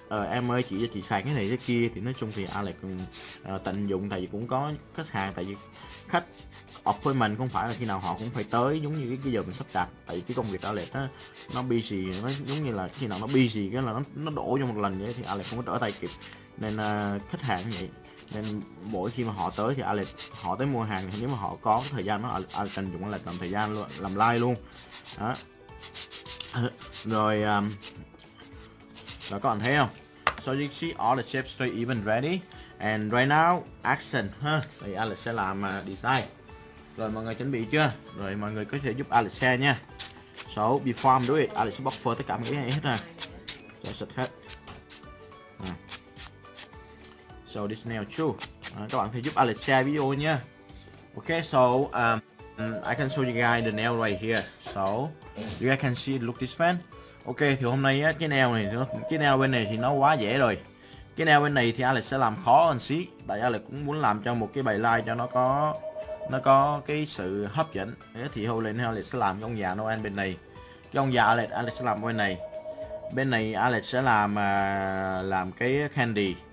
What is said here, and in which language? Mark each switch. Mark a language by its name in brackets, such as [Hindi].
[Vietnamese] em ơi chị cho chị xài cái này cái kia, thì nói chung thì Alex cũng tận dụng, tại vì cũng có khách hàng, tại vì khách appointment không phải là khi nào họ cũng phải tới giống như cái giờ mình sắp đặt, tại vì cái công việc Alex nó busy, nó giống như là khi nào nó busy cái là nó đổ vô một lần vậy, thì Alex không có trở tay kịp, nên khách hàng vậy, nên mỗi khi mà họ tới thì Alex họ tới mua hàng, nếu mà họ có cái thời gian đó Alex tận dụng là làm thời gian luôn, làm live luôn đó. Rồi đó, các bạn thấy không? [English] So you see all the shapes straight even ready. And right now, action [Vietnamese] ha. Thì Alex sẽ làm design. Rồi mọi người chuẩn bị chưa? Rồi mọi người có thể giúp Alex share nha. [English] So before I'm doing it, [Vietnamese] Alex sẽ buffer tất cả mấy cái này hết nè. Rồi sạch hết. [English] So this nail true. [Vietnamese] Các bạn có thể giúp Alex share video nha. [English] Ok, so I can show you guys the nail right here. So you guys can see, look this man. [Vietnamese] Ok, thì hôm nay á, cái nail bên này thì nó quá dễ rồi. Cái nail bên này thì Alex sẽ làm khó hơn xí, tại Alex cũng muốn làm cho một cái bài like cho nó có cái sự hấp dẫn. Thế thì hôm nay Alex sẽ làm cái ông già Noel bên này. Cái ông già Alex sẽ làm bên này Alex sẽ làm cái candy.